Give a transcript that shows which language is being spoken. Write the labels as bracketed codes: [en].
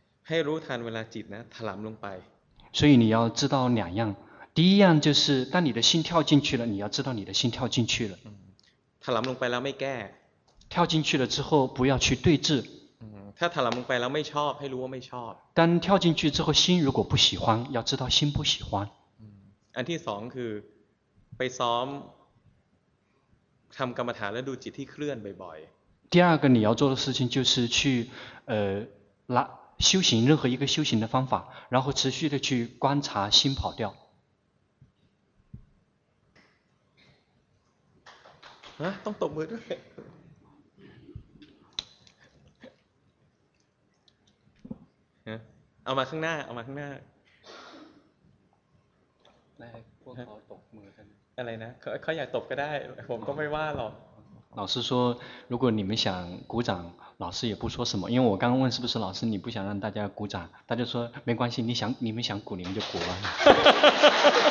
[th] ให้รู้ทันเวลาจิตนะถลำลงไป [zh] 所以你要知道两样第一样就是当你的心跳进去了你要知道你的心跳进去了 [th] ถลำลงไปแล้วไม่แก้ [zh] 跳进去了之后不要去对峙 [th] ถ้าถลำลงไปแล้วไม่ชอบให้รู้ว่าไม่ชอบ [zh] 当跳进去之后心如果不喜欢要知道心不喜欢 [th] อันที่สองคือไปซ้อมทำกรรมฐานแล้วดูจิตที่เคลื่อนบ่อย [zh] ๆ第二个你要做的事情就是去拉修行任何一个修行的方法然后持续的去观察心跑掉 [th] 啊ต้องตบมือด้วยเอามาข้างหน้าเอามาข้างหน้า แล้วพวกเขาตบมือกัน อะไรนะเขาอยากตบก็ได้ผมก็ไม่ว่าหรอก [zh] 老师说如果你们想鼓掌老师也不说什么因为我刚刚问是不是老师你不想让大家鼓掌大家说没关系你们想鼓你们就鼓了